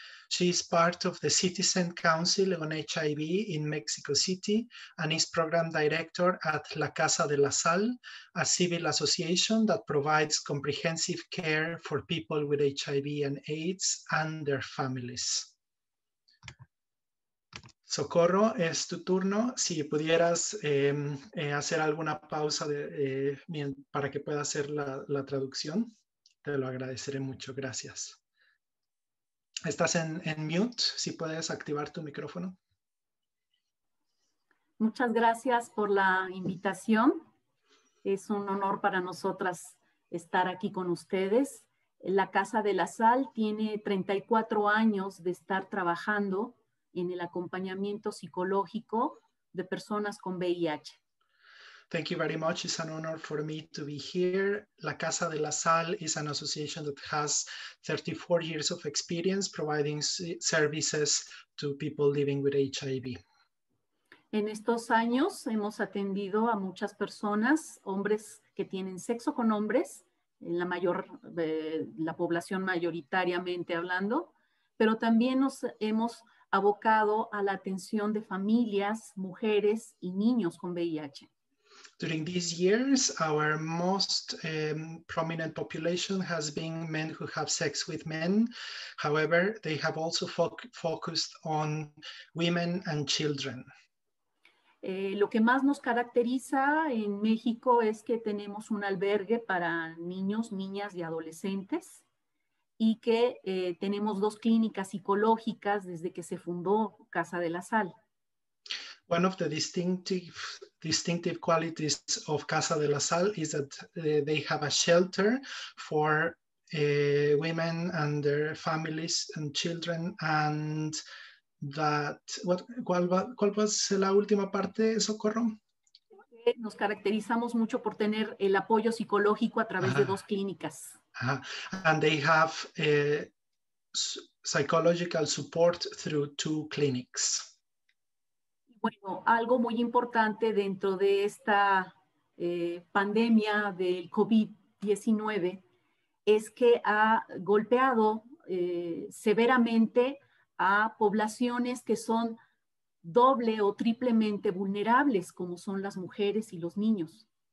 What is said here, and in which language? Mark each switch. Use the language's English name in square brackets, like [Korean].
[English] She is part of the Citizen Council on HIV in Mexico City and is program director at La Casa de la Sal, a civil association that provides comprehensive care for people with HIV and AIDS and their families. [Spanish] Socorro, es tu turno. Si pudieras hacer alguna pausa para que pueda hacer la traducción, te lo agradeceré mucho. Gracias. Estás en mute, si puedes activar tu micrófono. Muchas gracias por la invitación. Es un honor para nosotras estar aquí con ustedes. La Casa de la Sal tiene 34 años de estar trabajando en el acompañamiento psicológico de personas con VIH. [English] Thank you very much. It's an honor for me to be here. La Casa de la Sal is an association that has 34 years of experience providing services to people living with HIV. [Spanish] En estos años hemos atendido a muchas personas, hombres que tienen sexo con hombres, en la mayor, la población mayoritariamente hablando, pero también nos hemos abocado a la atención de familias, mujeres y niños con VIH. [English] During these years, our most prominent population has been men who have sex with men. However, they have also focused on women and children. [Spanish] Lo que más nos caracteriza en México es que tenemos un albergue para niños, niñas y adolescentes y que tenemos dos clínicas psicológicas desde que se fundó Casa de la Sal. [English] One of the distinctive qualities of Casa de la Sal is that they have a shelter for women and their families and children. And that, [Spanish] ¿cuál was la última parte, Socorro? Nos caracterizamos mucho por tener el apoyo psicológico a través de dos clínicas. [English] And they have psychological support through two clinics. [Spanish] Bueno, algo muy importante dentro de esta pandemia del COVID-19 es que ha golpeado severamente a poblaciones que son doble o triplemente vulnerables, como son las mujeres y los niños.